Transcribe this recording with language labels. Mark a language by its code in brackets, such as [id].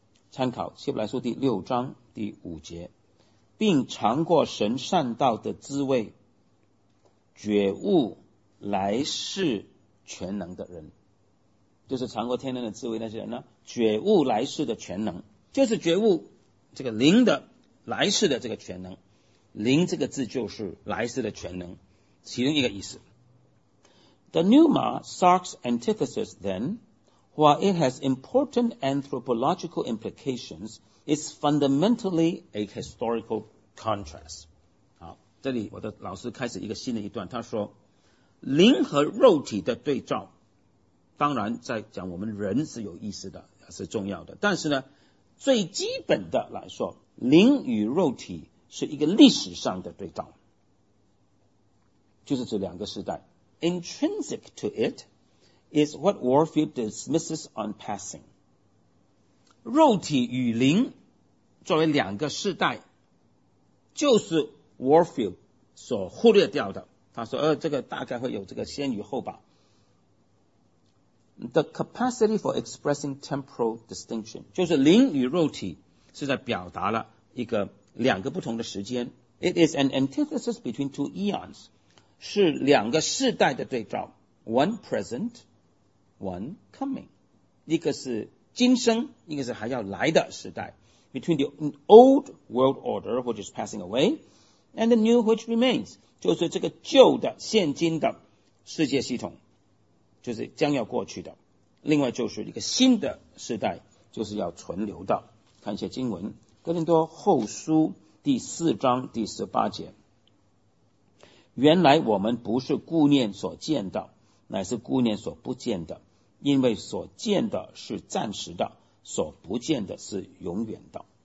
[zh] 参考希伯来书第六章第五节，并尝过神善道的滋味，觉悟来世全能的人，就是尝过天然的滋味那些人呢，觉悟来世的全能，就是觉悟这个灵的来世的这个全能。灵这个字就是来世的全能，其中一个意思。 [en] The pneuma sarks antithesis then, while it has important anthropological implications, is fundamentally a historical contrast. [zh] 好，这里我的老师开始一个新的一段，他说，灵和肉体的对照，当然在讲我们人是有意思的，是重要的，但是呢，最基本的来说，灵与肉体是一个历史上的对照，就是指两个时代。 [en] Intrinsic to it is what Warfield dismisses on passing. [zh] 肉体与灵作为两个时代，就是 Warfield 所忽略掉的。他说，这个大概会有这个先与后吧。 [en] The capacity for expressing temporal distinction [zh] 就是灵与肉体是在表达了一个两个不同的时间。 [en] It is an antithesis between two eons. [zh] 是两个世代的对照。 [en] One present, one coming. [zh] 一个是今生，一个是还要来的时代。 [en] Between the old world order, which is passing away, and the new, which remains. [zh] 就是这个旧的现今的世界系统，就是将要过去的。另外就是一个新的时代，就是要存留的。看一些经文。哥林多后书第四章第十八节，原来我们不是顾念所见的，乃是顾念所不见的，因为所见的是暂时的，所不见的是永远的。